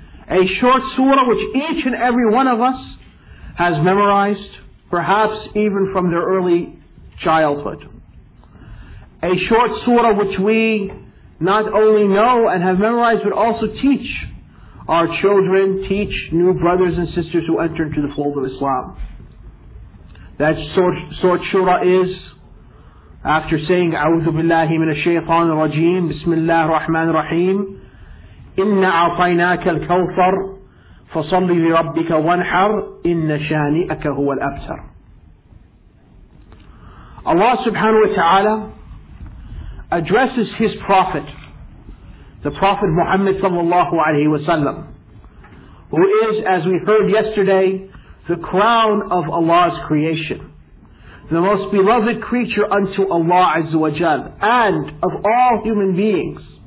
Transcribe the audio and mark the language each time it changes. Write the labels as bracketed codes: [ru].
[en] A short surah which each and every one of us has memorized, perhaps even from their early childhood. A short surah which we not only know and have memorized, but also teach our children, teach new brothers and sisters who enter into the fold of Islam. That surah is, after saying, [ar] أعوذ بالله من الشيطان الرجيم بسم الله الرحمن الرحيم إِنَّ أَعْطَيْنَاكَ الْكَوْثَرِ فَصَلِّ لِرَبِّكَ وَانْحَرْ إِنَّ شَانِئَكَ هُوَ الْأَبْتَرِ. [en] Allah subhanahu wa ta'ala addresses his Prophet, the Prophet Muhammad sallallahu alayhi wa sallam, who is, as we heard yesterday, the crown of Allah's creation, the most beloved creature unto Allah azza wa jal, and of all human beings,